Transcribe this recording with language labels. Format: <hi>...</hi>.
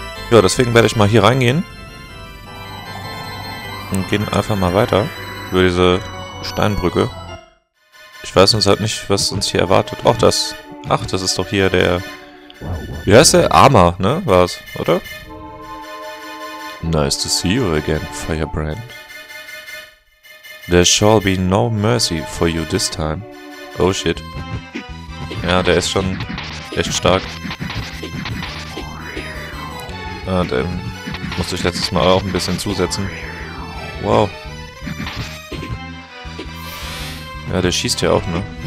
<de>Ja, deswegen werde ich mal hier reingehen. Und gehen einfach mal weiter über diese Steinbrücke. Ich weiß uns halt nicht, was uns hier erwartet. Ach, das... Ach, das ist doch hier der... Wie heißt der? Armer, ne? War's, oder?</de> <en>Nice to see you again, Firebrand. There shall be no mercy for you this time. Oh shit.</en> <de>Ja, der ist schon echt stark. Ah, den musste ich letztes Mal auch ein bisschen zusetzen. Wow. Ja, der schießt ja auch, ne?</de>